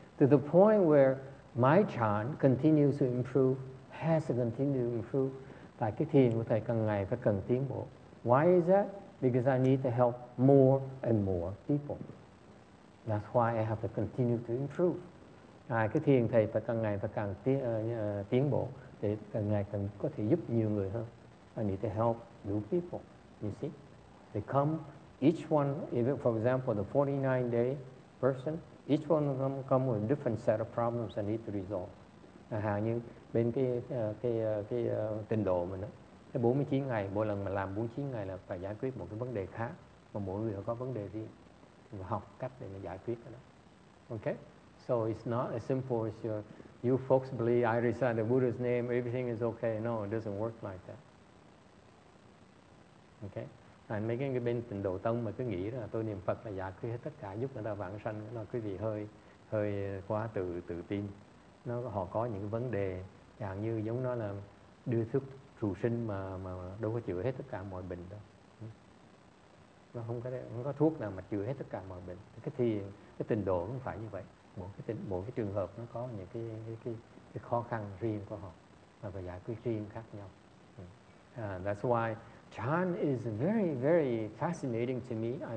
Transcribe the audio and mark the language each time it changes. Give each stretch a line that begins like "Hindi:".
English: To the point where my chan continues to improve, has to continue to improve.
Vietnamese: Tại cái thiền của thầy càng ngày phải cần tiến bộ.
English: Why is that? Because I need to help more and more people. That's why I have to continue to improve.
Vietnamese: À, cái thiền thầy phải càng ngày phải càng tiến bộ để càng ngày càng có thể giúp nhiều người hơn.
English: I need to help new people. You see? They come, each one, even for example, the 49-day person, each one of them come with a different set of problems I need to resolve.
Vietnamese: À, hàng như bên cái trình độ mình đó, cái 49 ngày, mỗi lần mà làm 49 ngày là phải giải quyết một cái vấn đề khác, mà mỗi người có vấn đề riêng, và học cách để mà giải quyết cái đó.
English: Okay? So it's not as simple as you folks believe I recite the Buddha's name, everything is okay. No, it doesn't work like that. Okay?
Vietnamese: Mấy cái bên tịnh độ tông mà cứ nghĩ là tôi niệm Phật là giải quyết hết tất cả, giúp người ta vãng sanh, nó quý vị hơi quá tự tin. Nó họ có những cái vấn đề chẳng như giống nó là đưa thuốc trụ sinh mà đâu có chữa hết tất cả mọi bệnh đâu. Nó không có thuốc nào mà chữa hết tất cả mọi bệnh. Cái thiền, cái tịnh độ cũng phải như vậy. Mỗi cái trường hợp nó có những cái khó khăn riêng của họ và phải giải quyết riêng khác nhau.
English: That's why chan is very, very fascinating to me.